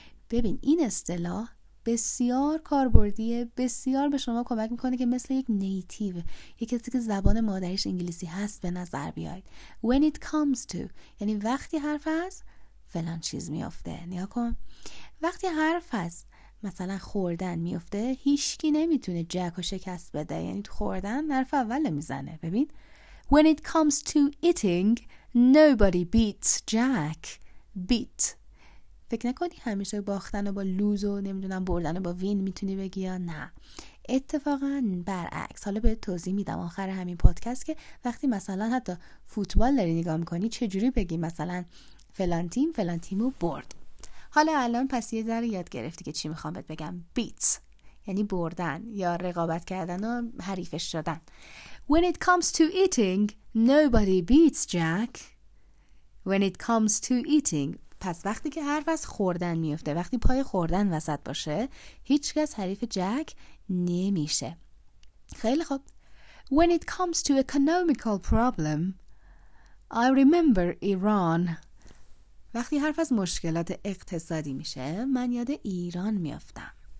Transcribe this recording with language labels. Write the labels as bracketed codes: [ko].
[fa] ببین این اصطلاح بسیار کاربردیه، بسیار به شما کمک میکنه که مثل یک نیتیو، یک کسی که زبان مادریش انگلیسی هست به نظر بیاید. [en] When it comes to [fa] یعنی وقتی حرف از فلان چیز میفته. نیا کن، وقتی حرف از مثلا خوردن میفته، هیچکی نمیتونه جک و شکست بده، یعنی تو خوردن حرف اول میزنه. ببین [en] When it comes to eating nobody beats Jack. [fa] Beat، فکر نکنی همیشه باختن و با لوز و نمیدونم بردن و با وین میتونی بگی، یا نه، اتفاقا برعکس. حالا به توضیح میدم آخر همین پادکست که وقتی مثلا حتی فوتبال داری نگاه میکنی چجوری بگی مثلا فلان تیم فلان تیمو برد. حالا الان پس یه ذره یاد گرفتی که چی میخوام بهت بگم. بیت یعنی بردن یا رقابت کردن و حریفش شدن. [en] When it comes to eating nobody beats Jack. When it comes to eating، [fa] پس وقتی که حرف از خوردن میفته، وقتی پای خوردن وسط باشه، هیچ کس حریف جک نمیشه. خیلی خوب. [en] When it comes to economical problem I remember Iran. [fa] وقتی حرف از مشکلات اقتصادی میشه، من یاد ایران میافتم.